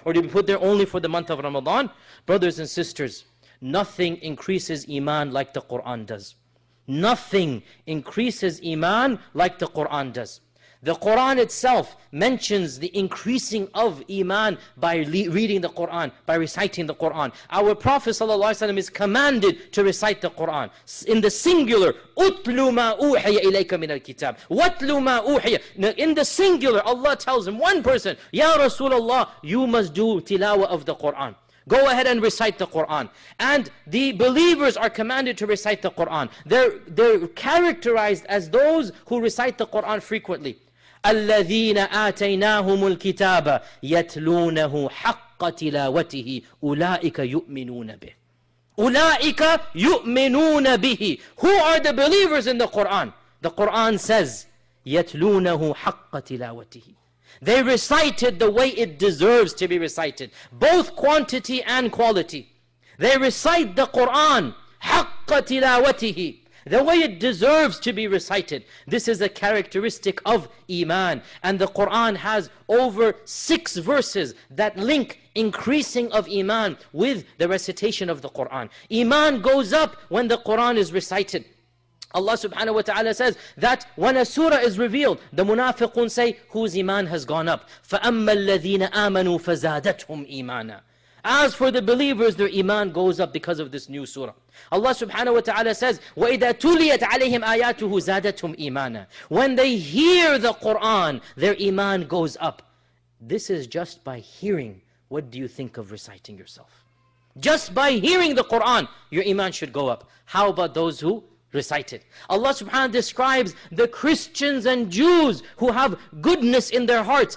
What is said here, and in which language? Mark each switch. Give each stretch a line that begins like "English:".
English: Or to be put there only for the month of Ramadan? Brothers and sisters, nothing increases Iman like the Quran does. Nothing increases Iman like the Quran does. The Quran itself mentions the increasing of Iman by reading the Quran, by reciting the Quran. Our Prophet ﷺ is commanded to recite the Quran. In the singular,
Arabic: أُتْلُ مَا أُوحِيَ إِلَيْكَ مِنَ الْكِتَابِ وَأُتْلُ مَا أُوحِيَ.
English: In the singular, Allah tells him, one person, Ya Rasulullah, you must do tilawa of the Quran. Go ahead and recite the Quran. And the believers are commanded to recite the Quran. They're characterized as those who recite the Quran frequently.
Arabic: الَّذِينَ آتَيْنَاهُمُ الْكِتَابَ يَتْلُونَهُ حَقَّ تِلَاوَتِهِ أُولَٰئِكَ يُؤْمِنُونَ بِهِ أُولَٰئِكَ يُؤْمِنُونَ بِهِ.
English: Who are the believers in the Quran? The Quran says,
Arabic: يَتْلُونَهُ حَقَّ تِلَاوَتِهِ.
English: They recited the way it deserves to be recited, both quantity and quality. They recite the Quran,
Arabic: حَقَّ تِلَاوَتِهِ,
English: the way it deserves to be recited. This is a characteristic of Iman. And the Quran has over 6 verses that link increasing of Iman with the recitation of the Quran. Iman goes up when the Quran is recited. Allah subhanahu wa ta'ala says that when a surah is revealed, the munafiqun say, whose iman has gone up?
Arabic: فَأَمَّا الَّذِينَ آمَنُوا فَزَادَتْهُمْ إِيمَانًا.
English: As for the believers, their iman goes up because of this new surah. Allah subhanahu wa ta'ala says,
Arabic: وَإِذَا تُلِيَتْ عَلَيْهِمْ آيَاتُهُ زَادَتْهُمْ إِيمَانًا.
English: When they hear the Quran, their iman goes up. This is just by hearing. What do you think of reciting yourself? Just by hearing the Quran, your iman should go up. How about those who recited? Allah subhanahu wa ta'ala describes the Christians and Jews who have goodness in their hearts.